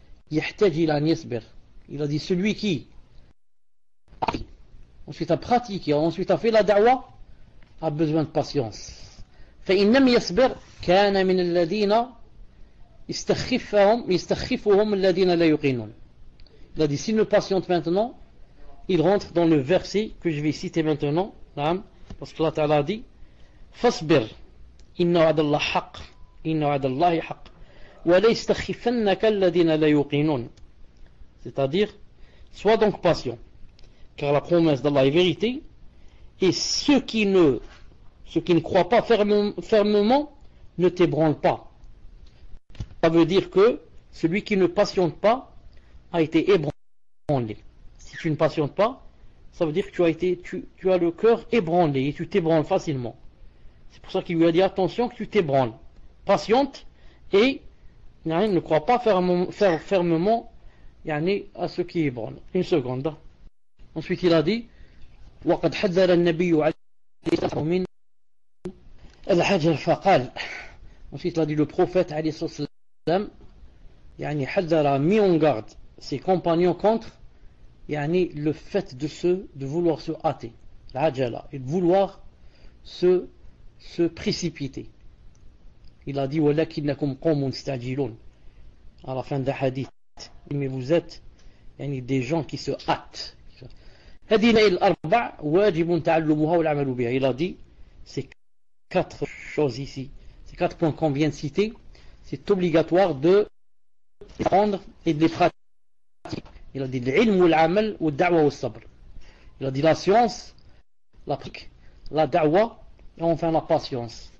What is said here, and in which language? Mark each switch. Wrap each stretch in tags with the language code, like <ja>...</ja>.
<ar>Yahtaji an yasbir.</ar> <fr>Il a dit celui qui ensuite a pratiqué, ensuite a fait la da'wa, a besoin de patience.</fr> <ar>Fa'in lam yasbir kana min alladhina يستخفهم الذين لا يقينون.</ar> <fr>Il a dit, s'il ne patiente maintenant, il rentre dans le verset que je vais citer maintenant. Naam, parce que Allah Ta'ala a dit,</fr> <ar>فاصبر إن وعد الله حق إن وعد الله حق ولا يستخفنك الذين لا يقينون.</ar> <fr>C'est-à-dire, sois donc patient, car la promesse d'Allah est vérité, et ceux qui ne croient pas fermement ne t'ébranlent pas. Ça veut dire que celui qui ne patiente pas a été ébranlé. Si tu ne patientes pas, ça veut dire que tu as le cœur ébranlé et tu t'ébranles facilement. C'est pour ça qu'il lui a dit attention que tu t'ébranles. Patiente et yani, ne crois pas fermement yani, à ce qui ébranle. Une seconde. Ensuite, il a dit</fr> <ar>وَقَدْ حَذَّرَ النَّبِيُّ عَلَيْهِ الْحَجَرَ فَقَالَ.</ar> <fr>Ensuite, il a dit le prophète</fr> <ar>عليه الصلاة والسلام يعني حذر</ar> <fr>a mis en garde ses compagnons contre يعني le fait de vouloir se hâter, العجلة, et de vouloir se précipiter. Il a dit,</fr> <ar>ولكنكم قوم مستعجلون,</ar> <fr>à la fin des hadiths. Mais vous êtes يعني, des gens qui se hâtent.</fr> <ar>هذه الأربع واجب تعلمها والعمل بها.</ar> <fr>Il a dit, ces quatre choses ici, ces quatre points qu'on vient de citer, c'est obligatoire de les prendre et de les pratiquer. Il a dit, l'ilm ou l'amal ou da'wa ou sabr. Il a dit, la science, la pratique, la da'wa et enfin la patience.</fr>